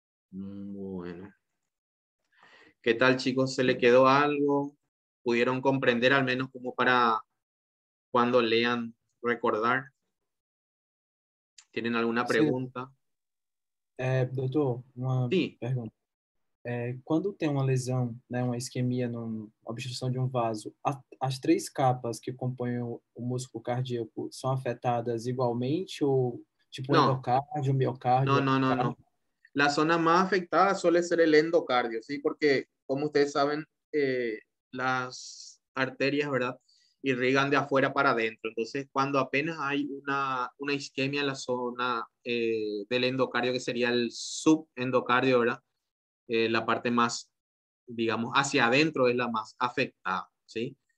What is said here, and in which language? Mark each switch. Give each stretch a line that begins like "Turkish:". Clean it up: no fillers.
Spanish: Bueno. ¿Qué tal, chicos? ¿Se le quedó algo? ¿Pudieron comprender al menos como para cuando lean recordar? ¿Tienen alguna pregunta? Doctor, una pregunta.
Portuguese: É, quando tem uma lesão, né, uma isquemia, uma obstrução de um vaso, as três capas que compõem o músculo cardíaco são afetadas igualmente ou tipo não. Endocárdio, miocárdio? Não.
Spanish: La zona más afectada suele ser el endocardio, ¿sí? Porque, como ustedes saben, las arterias, ¿verdad?, irrigan de afuera para adentro. Entonces, cuando apenas hay una isquemia en la zona del endocardio, que sería el subendocardio, ¿verdad?, la parte más, digamos, hacia adentro es la más afectada, ¿sí?